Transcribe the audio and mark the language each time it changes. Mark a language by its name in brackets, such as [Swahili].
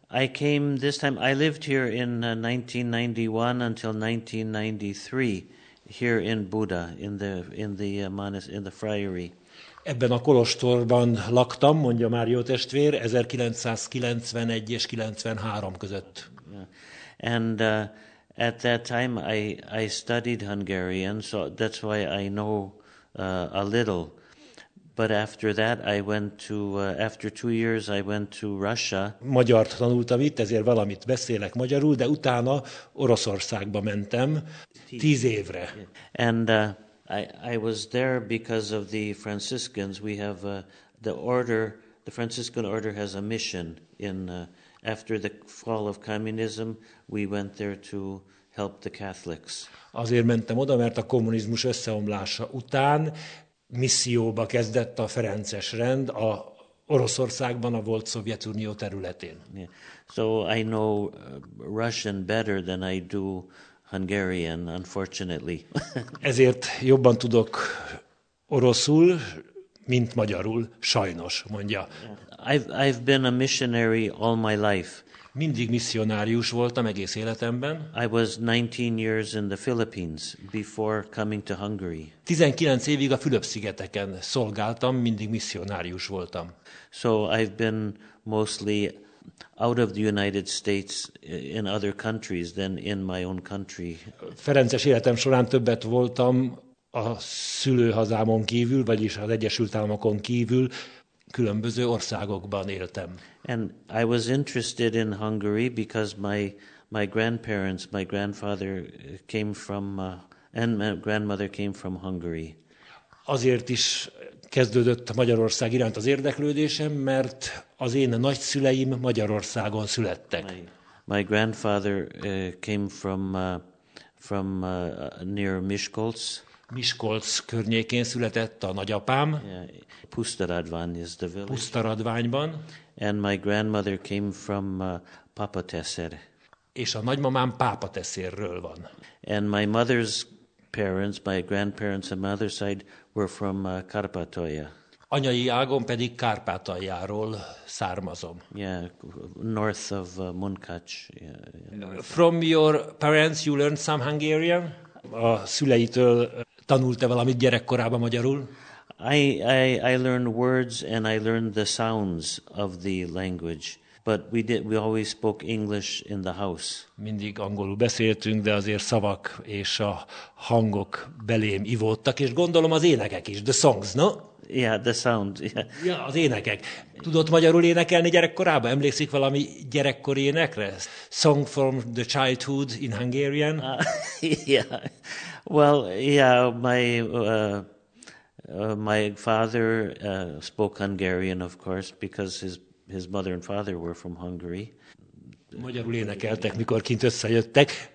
[English] I came this time. I lived here in 1991 until 1993 here in Buda in the friary. [Hungarian] Ebben a kolostorban laktam, mondja Mário testvér, 1991 és 93 között. [English] Yeah. And at that time I studied Hungarian, so that's why I know a little. But after that I went to after 2 years I went to Russia. [Hungarian] Magyar tanultam itt, ezért valamit beszélek magyarul, de utána Oroszországba mentem 10 évre. [English] And I was there because of the Franciscans. We have the Franciscan order has a mission in after the fall of communism, we went there to help the Catholics. [Hungarian] Azért mentem oda, mert a kommunizmus összeomlása után misszióba kezdett a Ferences rend a Oroszországban, a volt Szovjetunió területén. [English] Yeah. So I know Russian better than I do Hungarian, unfortunately. [Hungarian] Ezért jobban tudok oroszul, mint magyarul, sajnos, mondja. [English] I've been a missionary all my life. [Hungarian] Mindig misszionárius voltam egész életemben. [English] I was 19 years in the Philippines before coming to Hungary. [Hungarian] 19 évig a Fülöp-szigeteken szolgáltam, mindig misszionárius voltam. [English] So I've been mostly out of the United States in other countries than in my own country. [Hungarian] Ferences életem során többet voltam a szülőhazámon kívül, vagyis az Egyesült Államokon kívül, különböző országokban éltem. [English] And I was interested in Hungary because my grandparents, my grandfather came from and my grandmother came from Hungary. [Hungarian] Azért is kezdődött Magyarország iránt az érdeklődésem, mert az én nagyszüleim Magyarországon születtek. [English] My grandfather came from near Miskolc. [Hungarian] Miskolc környékén született a nagyapám. [English] Yeah, Pusztaradvány is the village. [Hungarian] Pusztaradványban. [English] And my grandmother came from Papateszer. [Hungarian] És a nagymamám Pápateszérről van. [English] And my mother's parents, my grandparents on mother's side were from Kárpátalja. [Hungarian] Anyai ágon pedig Kárpátaljáról származom. [English] Yeah, north of Munkács. Yeah, yeah. From your parents you learned some Hungarian? [Hungarian] A szüleitől tanult-e valamit gyerekkorában magyarul? [English] I learned words and I learned the sounds of the language, but we always spoke English in the house. [Hungarian] Mindig angolul beszéltünk, de azért szavak és a hangok belém ivódtak, és gondolom az énekek is, [English] the songs, no? Yeah, the sounds. Yeah. [Hungarian] Ja, az énekek. Tudott magyarul énekelni gyerekkorában? Emlékszik valami gyerekkori énekre? [English] Song from the childhood in Hungarian? Yeah. Well, yeah, my father spoke Hungarian, of course, because his mother and father were from Hungary. [Hungarian] Magyarul énekeltek, mikor kint összejöttek.